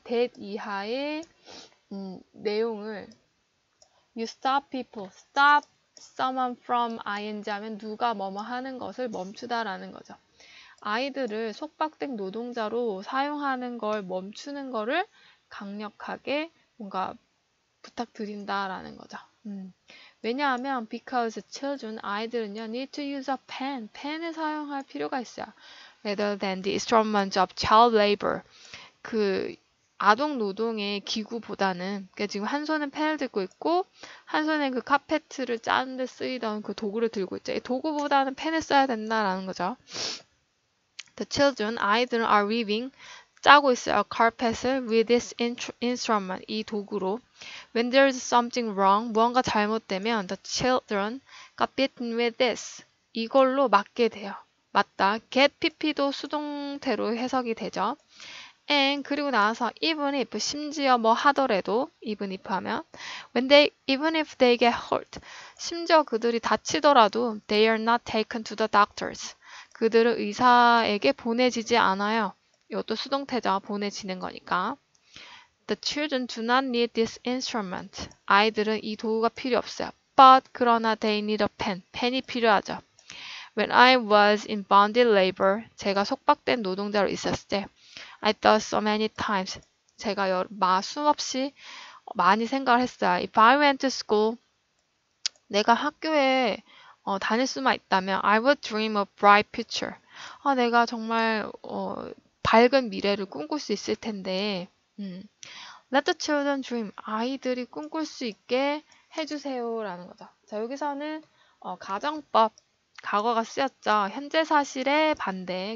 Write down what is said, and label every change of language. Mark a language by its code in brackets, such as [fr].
[en] that [ko] 이하의 내용을 [en] you stop people, stop someone from ing [ko] 하면 누가 뭐뭐 하는 것을 멈추다 라는 거죠. 아이들을 속박된 노동자로 사용하는 걸 멈추는 거를 강력하게 뭔가 부탁드린다라는 거죠. 왜냐하면 [en] because children, [ko] 아이들은요, [en] need to use a pen. [ko] 펜을 사용할 필요가 있어요. [en] rather than the instrument of child labor. [ko] 그 아동 노동의 기구보다는 그러니까 지금 한 손은 펜을 들고 있고 한 손에 그 카페트를 짜는 데 쓰이던 그 도구를 들고 있죠. 이 도구보다는 펜을 써야 된다라는 거죠. [en] The children, [ko] 아이들은 [en] are weaving. [ko] 짜고 있어요. [en] carpet을 with this instrument, [ko] 이 도구로. [en] When there's something wrong, [ko] 무언가 잘못되면 [en] the children got bitten with this. [ko] 이걸로 맞게 돼요. 맞다. get pp도 수동태로 해석이 되죠. [en] and [ko] 그리고 나서 [en] even if, [ko] 심지어 뭐 하더라도 [en] even if [ko] 하면 [en] when they, even if they get hurt, [ko] 심지어 그들이 다치더라도 [en] they are not taken to the doctors. [ko] 그들은 의사에게 보내지지 않아요. 이것도 수동태죠. 보내지는 거니까. [en] The children do not need this instrument. [ko] 아이들은 이 도구가 필요 없어요. [en] But, [ko] 그러나 [en] they need a pen. [ko] 펜이 필요하죠. [en] When I was in bonded labor, [ko] 제가 속박된 노동자로 있었을 때, [en] I thought so many times. [ko] 제가 수없이 많이 생각을 했어요. [en] If I went to school, [ko] 내가 학교에 다닐 수만 있다면, [en] I would dream of bright future. [ko] 내가 정말 밝은 미래를 꿈꿀 수 있을 텐데, [en] Let the children dream. [ko] 아이들이 꿈꿀 수 있게 해주세요. 라는 거죠. 자, 여기서는, 가정법. 과거가 쓰였죠. 현재 사실의 반대.